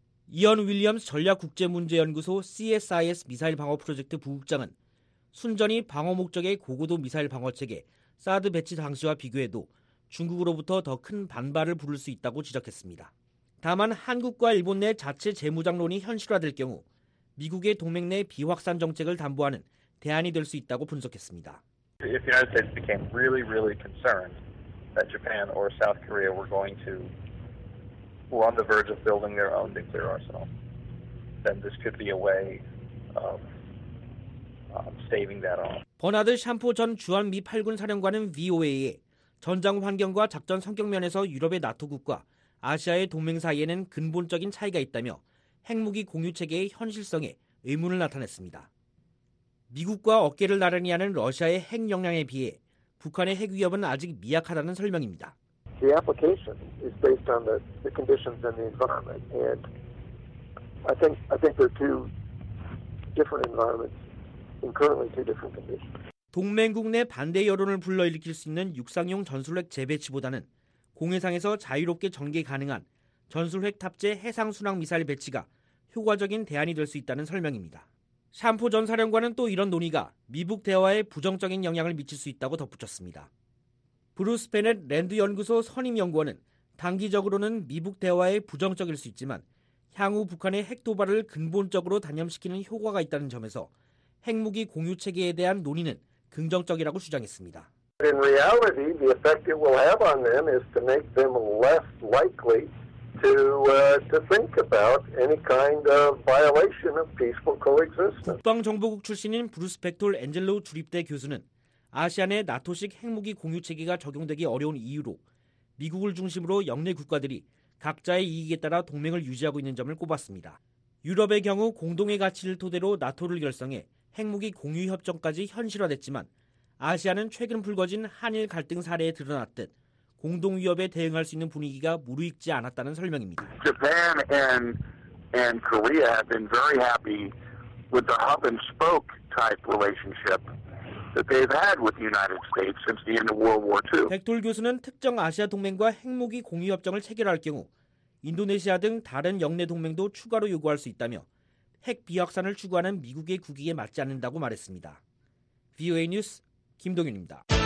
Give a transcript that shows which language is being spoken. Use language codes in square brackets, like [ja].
[ko] 이언 윌리엄스 전략국제문제연구소 CSIS 미사일 방어 프로젝트 부국장은 순전히 방어 목적의 고고도 미사일 방어체계 사드 배치 당시와 비교해도 중국으로부터 더 큰 반발을 부를 수 있다고 지적했습니다. 다만 한국과 일본 내 자체 재무장론이 현실화될 경우 미국의 동맹 내 비확산 정책을 담보하는 대안이 될 수 있다고 분석했습니다. [en] If the United States became really, really concerned that Japan or South Korea were going to were on the verge of building their own nuclear arsenal, then this could be a way of saving that off. [ko] 버나드 샴포 전 주한 미 8군 사령관은 VOA에 전장 환경과 작전 성격 면에서 유럽의 나토국과 아시아의 동맹 사이에는 근본적인 차이가 있다며 핵무기 공유 체계의 현실성에 의문을 나타냈습니다. 미국과 어깨를 나란히 하는 러시아의 핵 역량에 비해 북한의 핵 위협은 아직 미약하다는 설명입니다. [en] The application is based on the conditions in the environment, and I think there are two different environments and currently two different conditions. [ko] 동맹국 내 반대 여론을 불러일으킬 수 있는 육상용 전술핵 재배치보다는 공해상에서 자유롭게 전개 가능한 전술핵 탑재 해상 순항 미사일 배치가 효과적인 대안이 될 수 있다는 설명입니다. 샴포 전 사령관은 또 이런 논의가 미북 대화에 부정적인 영향을 미칠 수 있다고 덧붙였습니다. 브루스 베넷 랜드 연구소 선임 연구원은 단기적으로는 미북 대화에 부정적일 수 있지만 향후 북한의 핵 도발을 근본적으로 단념시키는 효과가 있다는 점에서 핵무기 공유 체계에 대한 논의는 긍정적이라고 주장했습니다. [en] In reality, the effect it will have on them is to make them less likely to think about any kind of violation of peaceful coexistence. [ko] 국방정보국 출신인 브루스 벡톨 엔젤로 주립대 교수는 아시안의 나토식 핵무기 공유 체계가 적용되기 어려운 이유로 미국을 중심으로 영내 국가들이 각자의 이익에 따라 동맹을 유지하고 있는 점을 꼽았습니다. 유럽의 경우 공동의 가치를 토대로 나토를 결성해 핵무기 공유 협정까지 현실화됐지만 아시아는 최근 불거진 한일 갈등 사례에 드러났듯 공동 위협에 대응할 수 있는 분위기가 무르익지 않았다는 설명입니다. [en] Japan and Korea have been very happy with the hub and spoke type relationship that they've had with the United States since the end of World War II. [ko] 백돌 교수는 특정 아시아 동맹과 핵무기 공유 협정을 체결할 경우 인도네시아 등 다른 영내 동맹도 추가로 요구할 수 있다며 핵 비확산을 추구하는 미국의 국익에 맞지 않는다고 말했습니다. VOA 뉴스 김동윤입니다.